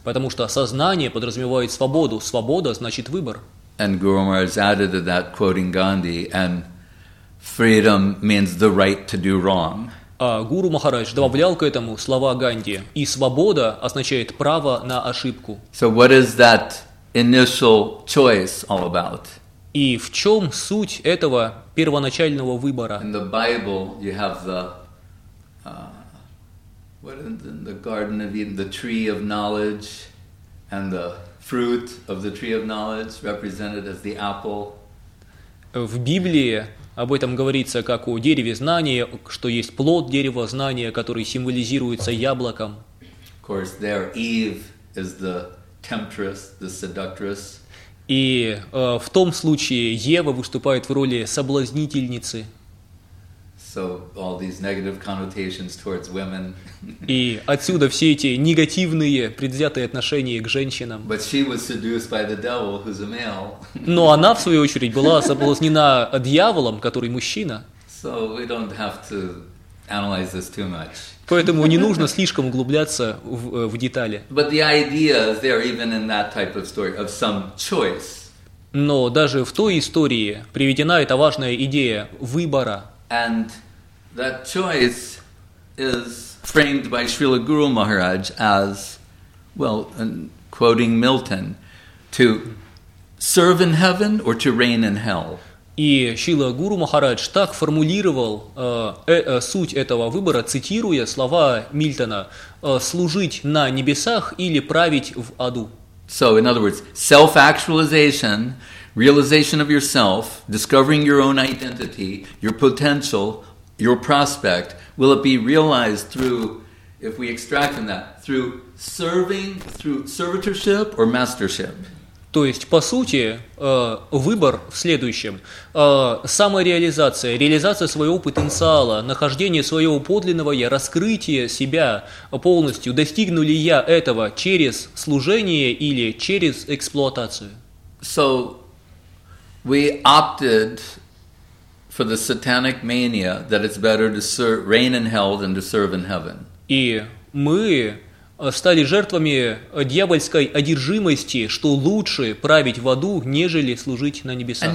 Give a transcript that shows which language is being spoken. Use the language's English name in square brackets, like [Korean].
[Russian] Потому что сознание подразумевает свободу, свобода значит выбор. [English] And Guru Maharaj added to that, quoting Gandhi, and freedom means the right to do wrong. [Russian] А Гуру Махарадж добавлял к этому слова Ганди: «И свобода означает право на ошибку». [English] So what is that initial choice all about? [Russian] И в чем суть этого первоначального выбора? [English] In the Bible you have the what is it, the Garden of Eden, the tree of knowledge, and the fruit of the tree of knowledge represented as the apple. [Russian] В Библии об этом говорится как о дереве знания, что есть плод дерева знания, который символизируется яблоком. [English] Of course, there Eve is the temptress, the seductress. [Russian] И в том случае Ева выступает в роли соблазнительницы. [English] So all these negative connotations towards women. [Russian] И отсюда все эти негативные предвзятые отношения к женщинам. [English] But she was seduced by the devil, who's a male. [Russian] Но она в свою очередь была соблазнена дьяволом, который мужчина. [English] So we don't have to analyze this too much. [Russian] Поэтому не нужно слишком углубляться в детали. [English] But the idea is there even in that type of story of some choice. [Russian] Но даже в той истории приведена эта важная идея выбора. [English] And that choice is framed by Srila Guru Maharaj as, well, and quoting Milton, to serve in heaven or to reign in hell. [Russian] И Шрила Гуру Махарадж так формулировал суть этого выбора, цитируя слова Мильтона: служить на небесах или править в аду. [English] So, in other words, self-actualization, realization of yourself, discovering your own identity, your potential, your prospect, will it be realized through, if we extract from that, through serving, through servitorship or mastership? [Russian] То есть, по сути, выбор в следующем. Самореализация, реализация своего потенциала, нахождение своего подлинного «я», раскрытие себя полностью. Достигну ли я этого через служение или через эксплуатацию? [English] So, we opted for the satanic mania that it's better to reign in hell than to serve in heaven. [Russian] И мы стали жертвами дьявольской одержимости, что лучше править в аду, нежели служить на небесах.